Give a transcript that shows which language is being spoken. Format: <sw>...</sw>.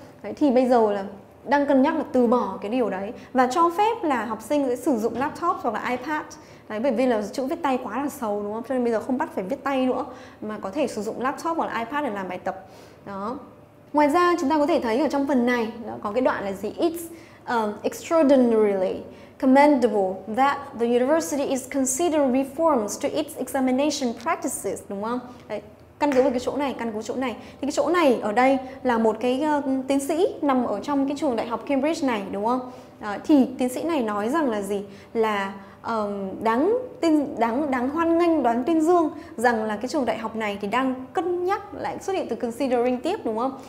<vi>Đấy, thì bây giờ là đang cân nhắc là từ bỏ cái điều đấy và cho phép là học sinh sẽ sử dụng laptop hoặc là iPad. Đấy, bởi vì là chữ viết tay quá là xấu, đúng không? Cho nên bây giờ không bắt phải viết tay nữa mà có thể sử dụng laptop hoặc là iPad để làm bài tập. Đó. Ngoài ra chúng ta có thể thấy ở trong phần này đó, có cái đoạn là gì?</vi> <en>It's extraordinarily commendable that the university is considering reforms to its examination practices,</en> <vi>đúng không? Đấy, căn cứ vào cái chỗ này, căn cứ chỗ này. Thì cái chỗ này ở đây là một cái tiến sĩ nằm ở trong cái trường đại học Cambridge này, đúng không? Thì tiến sĩ này nói rằng là gì? Là đáng hoan nghênh, đoán tuyên dương rằng là cái trường đại học này thì đang cân nhắc, lại xuất hiện từ considering tiếp, đúng không?</vi>